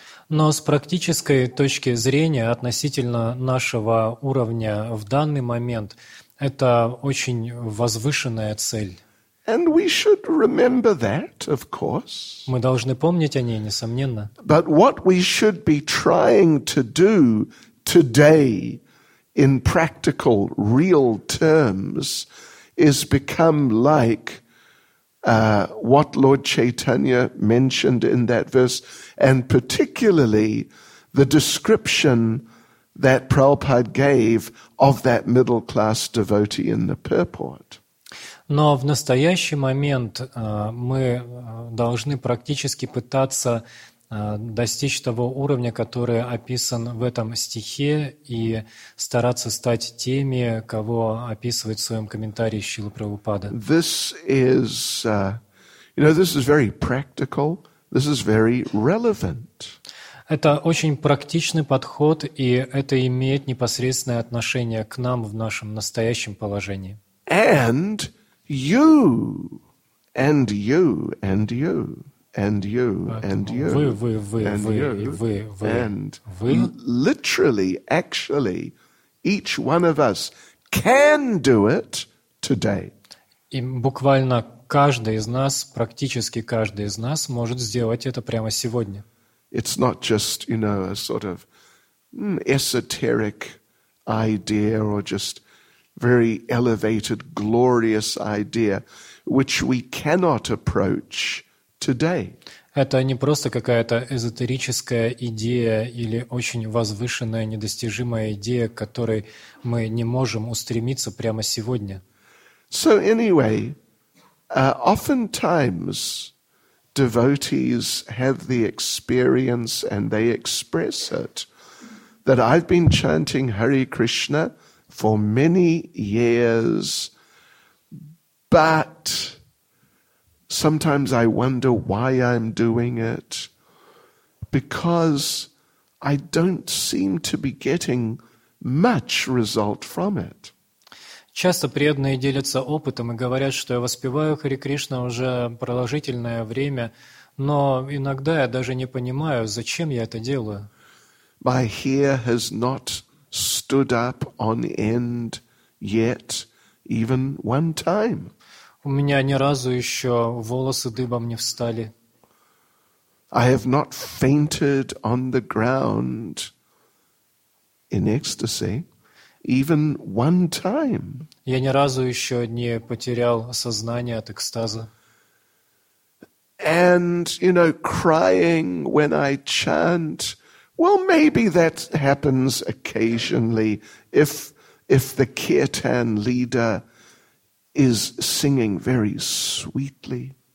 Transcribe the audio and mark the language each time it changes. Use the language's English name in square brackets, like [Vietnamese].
[Russian] Но с практической точки зрения, относительно нашего уровня в данный момент, это очень возвышенная цель. [English] And we should remember that, of course. [Russian] Мы должны помнить о ней, несомненно. [English] But what we should be trying to do today in practical, real terms is become like what Lord Chaitanya mentioned in that verse, and particularly the description that Prabhupada gave of that middle-class devotee in the purport. [Russian] Но в настоящий момент мы должны практически пытаться достичь того уровня, который описан в этом стихе, и стараться стать теми, кого описывает в своем комментарии Шрила Прабхупада. [English] This is, you know, this is very practical. This is very relevant. [Russian] Это очень практичный подход, и это имеет непосредственное отношение к нам в нашем настоящем положении. [English] And you, and you, and you, and you, and you, and [Russian] вы. [English] Literally, actually, each one of us can do it today. [Russian] И буквально каждый из нас, практически каждый из нас, может сделать это прямо сегодня. [English] It's not just, you know, a sort of esoteric idea or just very elevated, glorious idea, which we cannot approach today. [Russian] Это не просто какая-то эзотерическая идея или очень возвышенная, недостижимая идея, к которой мы не можем устремиться прямо сегодня. [English] So anyway, oftentimes devotees have the experience, and they express it, that I've been chanting Hare Krishna for many years, but sometimes I wonder why I'm doing it, because I don't seem to be getting much result from it. [Russian] Часто преданные делятся опытом и говорят, что я воспеваю Хари Кришна уже продолжительное время, но иногда я даже не понимаю, зачем я это делаю. [English] My hair has not stood up on end yet, even one time. [Russian] У меня ни разу еще волосы дыбом не встали. [English] I have not fainted on the ground in ecstasy. Even one time. [Russian] Я ни разу еще не потерял сознание от экстаза. [English] And, you know, crying when I chant, well, maybe that happens occasionally if the kirtan leader is singing very sweetly.